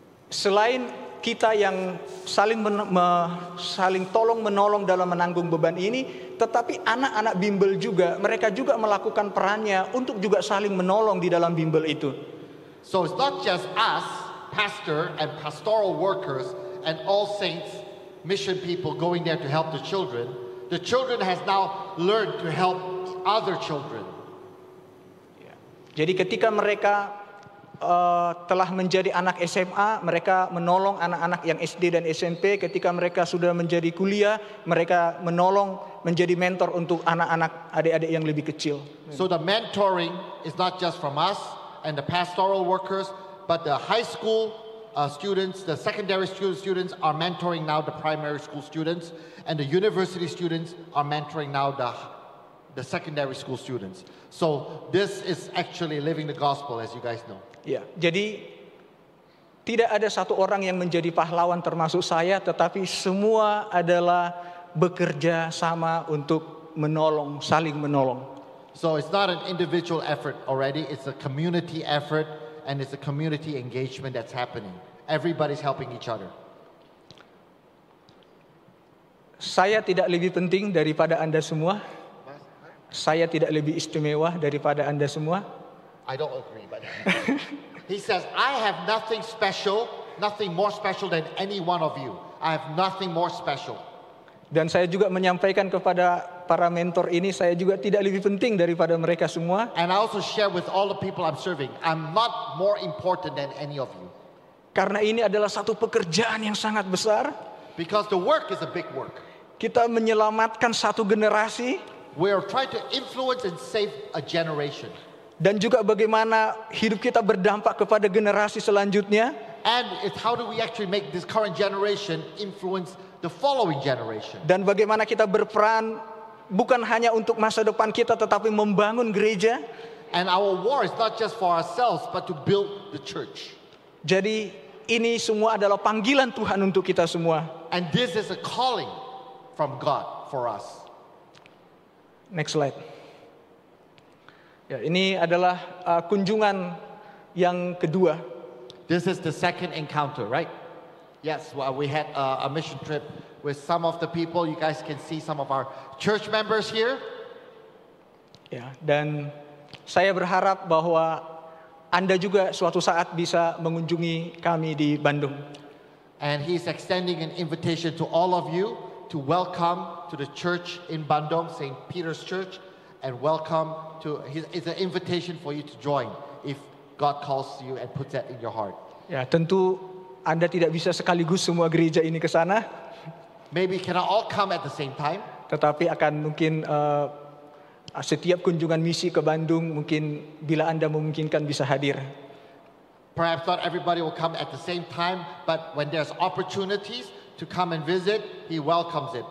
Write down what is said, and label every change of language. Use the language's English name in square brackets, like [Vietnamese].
[Indonesian] Selain kita yang saling tolong menolong dalam menanggung beban ini, tetapi anak-anak bimbel juga, mereka juga melakukan perannya untuk juga saling menolong di dalam bimbel itu. [English] So it's not just us, pastor and pastoral workers and All Saints mission people going there to help the children. The children has now learned to help other children. Yeah. [Indonesian] Jadi ketika mereka telah menjadi anak SMA, mereka menolong anak-anak yang SD dan SMP. Ketika mereka sudah menjadi kuliah, mereka menolong menjadi mentor untuk anak-anak adik-adik yang lebih kecil. [English] So the mentoring is not just from us and the pastoral workers, but the high school students, the secondary school students are mentoring now the primary school students, and the university students are mentoring now the secondary school students. So this is actually living the gospel, as you guys know. Yeah. [Indonesian] Jadi tidak ada satu orang yang menjadi pahlawan termasuk saya, tetapi semua adalah bekerja sama untuk menolong, saling menolong. [English] So it's not an individual effort already, it's a community effort. And it's a community engagement that's happening. Everybody's helping each other. [Indonesian] Saya tidak lebih penting daripada Anda semua. Saya tidak lebih istimewa daripada Anda semua. [English] I don't agree, but he says, I have nothing special, nothing more special than any one of you. I have nothing more special. [Indonesian] Dan saya juga menyampaikan kepada para mentor ini, saya juga tidak lebih penting daripada mereka semua. [English] And I also share with all the people I'm serving, I'm not more important than any of you. [Indonesian] Karena ini adalah satu pekerjaan yang sangat besar. [English] Because the work is a big work. [Indonesian] Kita menyelamatkan satu generasi. [English] We are trying to influence and save a generation. [Indonesian] Dan juga bagaimana hidup kita berdampak kepada generasi selanjutnya. [English] And it's how do we actually make this current generation influence the following generation? [Indonesian] Dan bagaimana kita berperan bukan hanya untuk masa depan kita, tetapi membangun gereja. [English] And our war is not just for ourselves, but to build the church. [Indonesian] Jadi ini semua adalah panggilan Tuhan untuk kita semua. [English] And this is a calling from God for us. Next slide. [Indonesian] Ya, ini adalah kunjungan yang kedua. [English] This is the second encounter, right? Yes, well, we had a mission trip with some of the people. You guys can see some of our church members here. [Indonesian] Yeah, dan saya berharap bahwa Anda juga suatu saat bisa mengunjungi kami di Bandung. [English] And he's extending an invitation to all of you to welcome to the church in Bandung, St. Peter's Church, and welcome to, it's an invitation for you to join if God calls you and puts that in your heart. [Indonesian] Ya, tentu Anda tidak bisa sekaligus semua gereja ini ke sana. [English] Maybe cannot all come at the same time. [Indonesian] Tetapi akan mungkin setiap kunjungan misi ke Bandung, mungkin bila Anda memungkinkan bisa hadir. [English] Perhaps not everybody will come at the same time, but when there's opportunities to come and visit, he welcomes it.